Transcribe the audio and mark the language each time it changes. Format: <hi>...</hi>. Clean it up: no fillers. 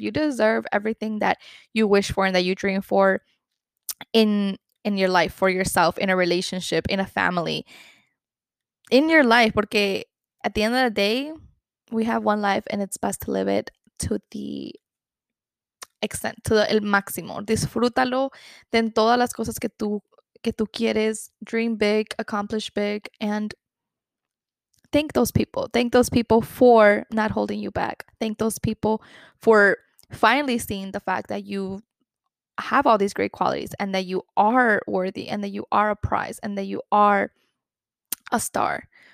<en>You deserve everything that you wish for and that you dream for in your life, for yourself, in a relationship, in a family, in your life.</en> <es>Porque</es> <en>at the end of the day, we have one life, and it's best to live it to the extent, to the,</en> <es>el máximo. Disfrútalo de todas las cosas que tú quieres.</es> <en>Dream big, accomplish big, and thank those people. Thank those people for not holding you back. Thank those people for finally seeing the fact that you have all these great qualities and that you are worthy and that you are a prize and that you are a star.</en>